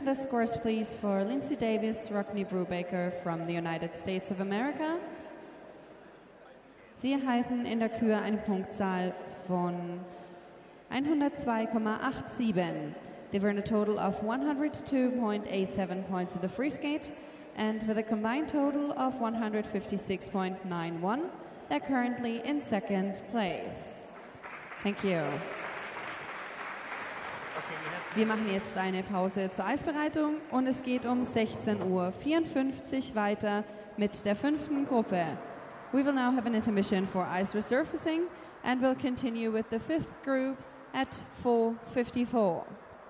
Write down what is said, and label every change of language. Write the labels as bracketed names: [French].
[English] The scores, please, for Lindsay Davis, Rockney Brubaker from the United States of America. [German] Sie erhalten in der Kür eine Punktzahl von 102,87. [English] They've earned a total of 102.87 points in the free skate, and with a combined total of 156.91, they're currently in second place. Thank you. [German] Wir machen jetzt eine Pause zur Eisbereitung und es geht um 16.54 Uhr weiter mit der fünften Gruppe. [English] We will now have an intermission for ice resurfacing and we'll continue with the fifth group at 4:54.